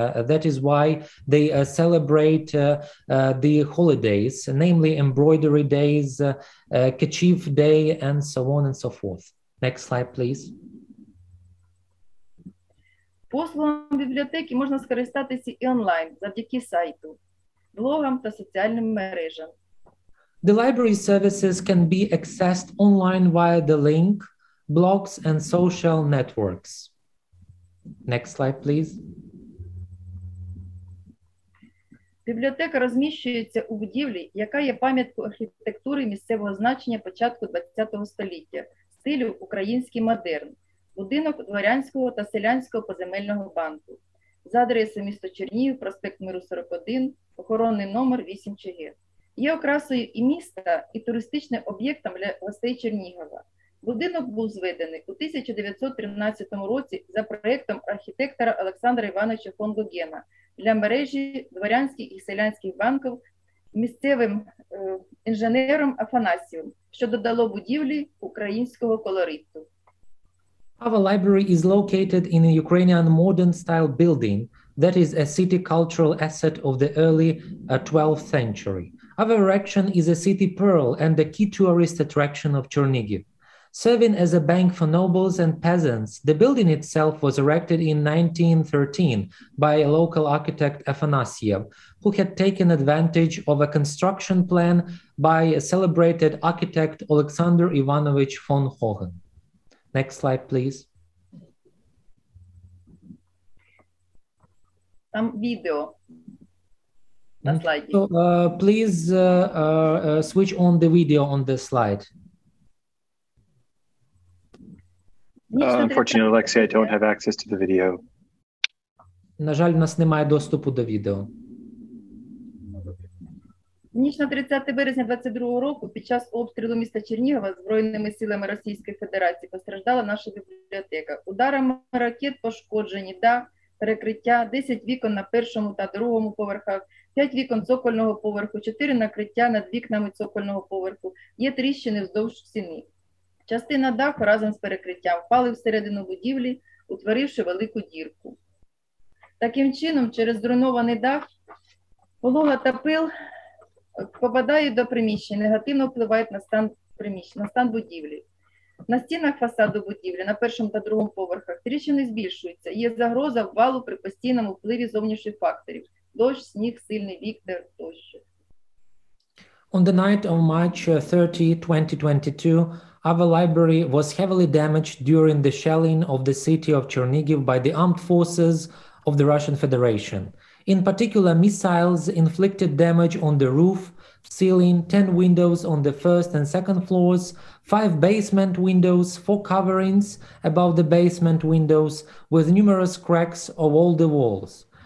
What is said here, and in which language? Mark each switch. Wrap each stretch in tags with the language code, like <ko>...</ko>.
<en>That is why they celebrate the holidays, namely embroidery days, kerchief day and so on and so forth. Next slide, please.</en> <uk>Послугами бібліотеки можна скористатися і онлайн завдяки сайту, блогам та соціальним мережам.</uk> <en>The library services can be accessed online via the link, blogs and social networks. Next slide, please.</en> <uk>Бібліотека розміщується у будівлі, яка є пам'яткою архітектури місцевого значення початку ХХ століття, стилю український модерн, будинок дворянського та селянського поземельного банку за адресою місто Чернігів, проспект Миру 41, охоронний номер 8 ЧГ. Є окрасою і міста, і туристичним об'єктом для гостей Чернігова. Будинок був зведений у 1913 році за проєктом архітектора Олександра Івановича фон Гогена для мережі дворянських і селянських банків місцевим інженером Афанасієм, що додало будівлі українського колориту.</uk> <en>Our library is located in a Ukrainian modern style building that is a city cultural asset of the early 12th century. Our erection is a city pearl and a key tourist attraction of Chernigiv. Serving as a bank for nobles and peasants, the building itself was erected in 1913 by a local architect Afanasiev, who had taken advantage of a construction plan by a celebrated architect Alexander Ivanovich von Hohen. Next slide, please. Some video. So, please switch on the video on the slide. Unfortunately, Alexei, I don't have access to the video.</en> <uk>На жаль, у нас немає доступу до відео. Ніч на 30 березня 22-го року під час обстрілу міста Чернігова збройними силами Російської Федерації постраждала наша бібліотека. Ударами ракет пошкоджені дах, перекриття, 10 вікон на першому та другому поверхах, 5 вікон цокольного поверху, 4 накриття над вікнами цокольного поверху, є тріщини вздовж стіни. Частина даху разом з перекриттям впали всередину будівлі, утворивши велику дірку. Таким чином, через зруйнований дах, полога та пил попадають до приміщення, негативно впливають на стан приміщення, на стан будівлі. На стінах фасаду будівлі на першому та другому поверхах тріщини збільшуються. Є загроза обвалу при постійному впливі зовнішніх факторів: дощ, сніг, сильний вітер тощо.</uk> <en>On the night of March 30, 2022, our library was heavily damaged during the shelling of the city of Chernigiv by the armed forces of the Russian Federation. In particular, missiles inflicted damage on the roof, ceiling, 10 windows on the first and second floors, 5 basement windows, 4 coverings above the basement windows, with numerous cracks of all the walls.</en>